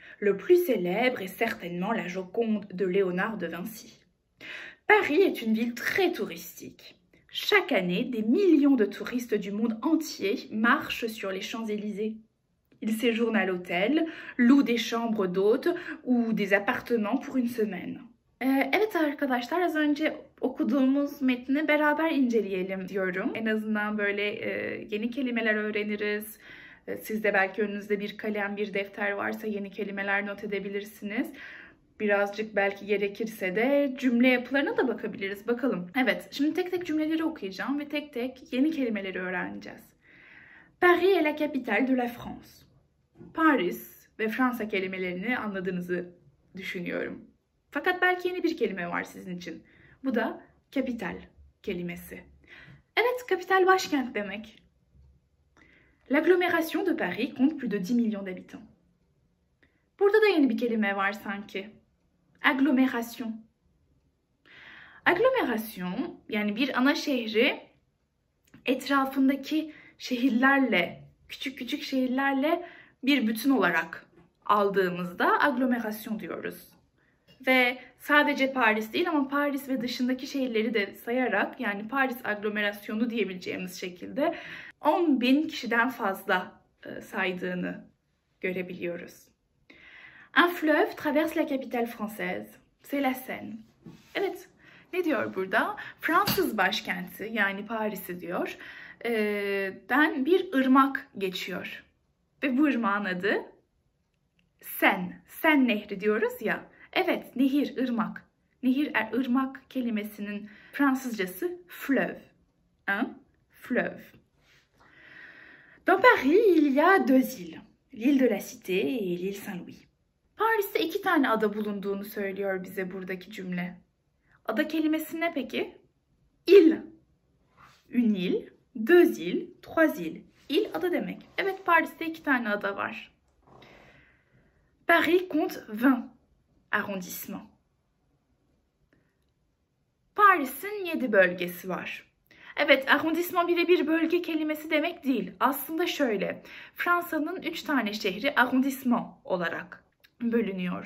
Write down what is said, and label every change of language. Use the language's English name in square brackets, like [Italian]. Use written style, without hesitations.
[French] Le plus célèbre est certainement la Joconde de Léonard de Vinci. Paris est une ville très touristique. Chaque année, des millions de touristes du monde entier marchent sur les Champs-Élysées. Ils séjournent à l'hôtel, louent des chambres d'hôtes ou des appartements pour une semaine. [Turkish] Evet arkadaşlar, az önce okuduğumuz metni beraber inceleyelim diyorum. En azından böyle yeni kelimeler öğreniriz. Siz de belki önünüzde bir kalem, bir defter varsa yeni kelimeler not edebilirsiniz. Birazcık belki gerekirse de cümle yapılarına da bakabiliriz. Bakalım. Evet, şimdi tek tek cümleleri okuyacağım ve tek tek yeni kelimeleri öğreneceğiz. [French] Paris est la capitale de la France. [Turkish] Paris ve Fransa kelimelerini anladığınızı düşünüyorum. Fakat belki yeni bir kelime var sizin için. Bu da capital kelimesi. Evet, capital başkent demek. [French] L'agglomération de Paris compte plus de 10 millions d'habitants. [Turkish] Burada da yeni bir kelime var sanki. Agglomération. Agglomération, yani bir ana şehri etrafındaki şehirlerle, küçük küçük şehirlerle bir bütün olarak aldığımızda agglomération diyoruz. Ve sadece Paris değil ama Paris ve dışındaki şehirleri de sayarak, yani Paris agglomerasyonu diyebileceğimiz şekilde 10.000 kişiden fazla saydığını görebiliyoruz. [French] Un fleuve traverse la capitale française. C'est la Seine. [Turkish] Evet, ne diyor burada? Fransız başkenti, yani Paris'i diyor. Ben bir ırmak geçiyor. Ve bu ırmağın adı Seine. Seine nehri diyoruz ya. Evet, nehir, ırmak. Nehir, ırmak kelimesinin Fransızcası fleuve. [French] Hein? Fleuve. Dans Paris, il y a deux îles. L'île de la Cité et l'île Saint-Louis. [Turkish] Paris'te iki tane ada bulunduğunu söylüyor bize buradaki cümle. Ada kelimesi ne peki? Il. [French] Une île, deux îles, trois îles. [Turkish] Il ada demek. Evet, Paris'te iki tane ada var. [French] Paris compte 20 arrondissements. [Turkish] Paris'in 7 bölgesi var. Evet, arrondissement birebir bölge kelimesi demek değil. Aslında şöyle, Fransa'nın 3 tane şehri arrondissement olarak bölünüyor.